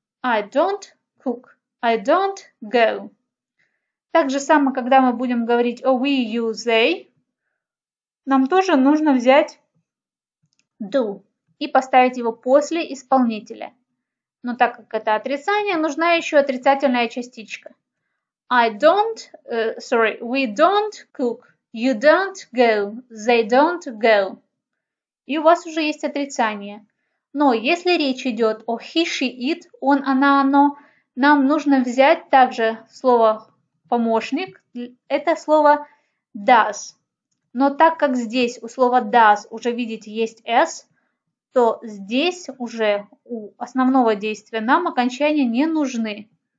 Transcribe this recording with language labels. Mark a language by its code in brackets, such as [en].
[en] I don't cook. I don't go. [ru] Так же самое, когда мы будем говорить о [en] we, you, they, [ru] нам тоже нужно взять do и поставить его после исполнителя. Но так как это отрицание, нужна еще отрицательная частичка. [en] I don't, sorry, we don't cook, you don't go, they don't go. [ru] И у вас уже есть отрицание. Но если речь идет о [en] he, she, it, [ru] он, она, оно, нам нужно взять также слово помощник, это слово does. Но так как здесь у слова does уже, видите, есть s, то здесь уже у основного действия нам окончания не нужны.